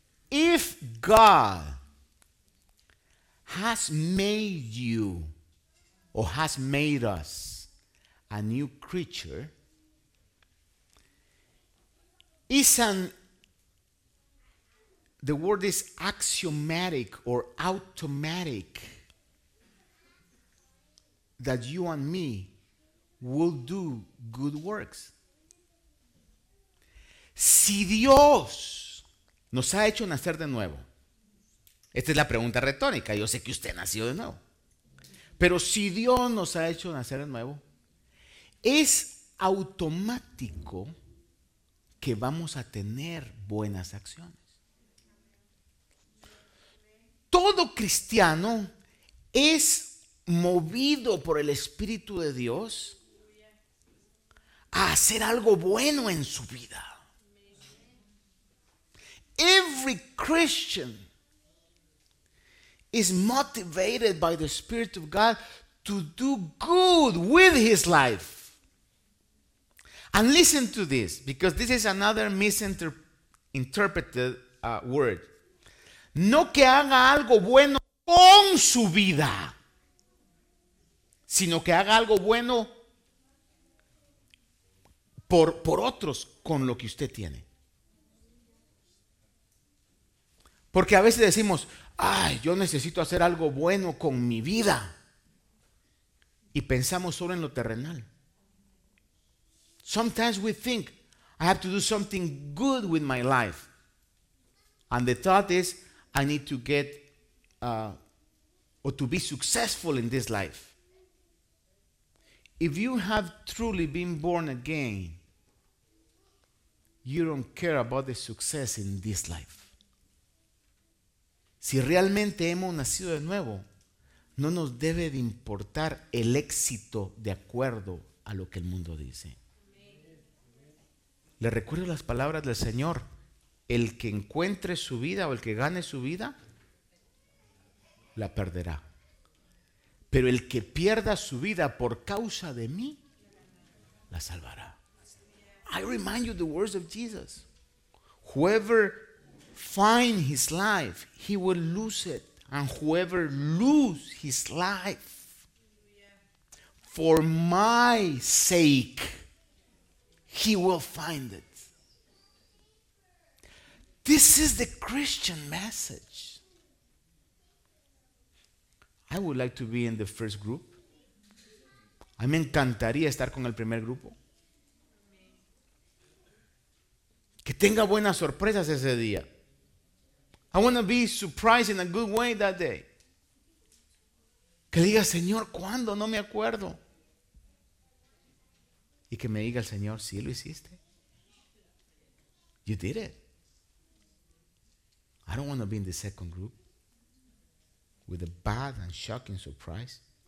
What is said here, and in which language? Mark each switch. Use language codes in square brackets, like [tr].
[en] If God has made you or has made us a new creature, the word is axiomatic or automatic that you and me will do good works. [es] Si Dios nos ha hecho nacer de nuevo. Esta es la pregunta retórica. Yo sé que usted nació de nuevo. Pero si Dios nos ha hecho nacer de nuevo, es automático que vamos a tener buenas acciones. Todo cristiano es movido por el Espíritu de Dios a hacer algo bueno en su vida. [en] Every Christian is motivated by the Spirit of God to do good with his life. And listen to this, because this is another misinterpreted word. [es] No que haga algo bueno con su vida. sino que haga algo bueno por otros con lo que usted tiene. Porque a veces decimos, ay, yo necesito hacer algo bueno con mi vida, y pensamos solo en lo terrenal. [en] Sometimes we think, I have to do something good with my life. And the thought is, I need to get or to be successful in this life. If you have truly been born again, you don't care about the success in this life. [es] Si realmente hemos nacido de nuevo, no nos debe de importar el éxito de acuerdo a lo que el mundo dice. Le recuerdo las palabras del Señor: el que encuentre su vida o el que gane su vida, la perderá. Pero el que pierda su vida por causa de mí, la salvará. [en] I remind you the words of Jesus. Whoever finds his life, he will lose it. And whoever loses his life for my sake, he will find it. This is the Christian message. I would like to be in the first group. [es] A mí me encantaría estar con el primer grupo. Que tenga buenas sorpresas ese día. [en] I want to be surprised in a good way that day. [es] Que le diga, Señor, ¿cuándo? No me acuerdo. Y que me diga el Señor, sí lo hiciste. [en] You did it. I don't want to be in the second group with a bad and shocking surprise.